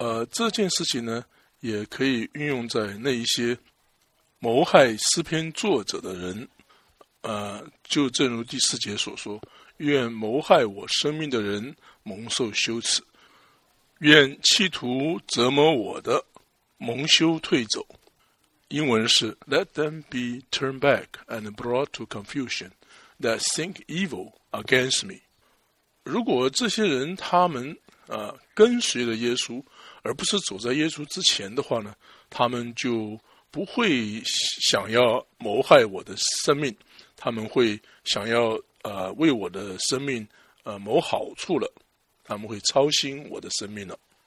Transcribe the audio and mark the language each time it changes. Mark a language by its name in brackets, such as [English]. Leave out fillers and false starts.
[Chinese] 这件事情呢，也可以运用在那一些谋害诗篇作者的人，就正如第四节所说，愿谋害我生命的人蒙受羞耻，愿企图折磨我的蒙羞退走。 [English] 英文是 Let them be turned back and brought to confusion that think evil against me。 [Chinese] 如果这些人他们跟随了耶稣而不是走在耶稣之前的话呢，他们就不会想要谋害我的生命，他们会想要为我的生命谋好处了，他们会操心我的生命了。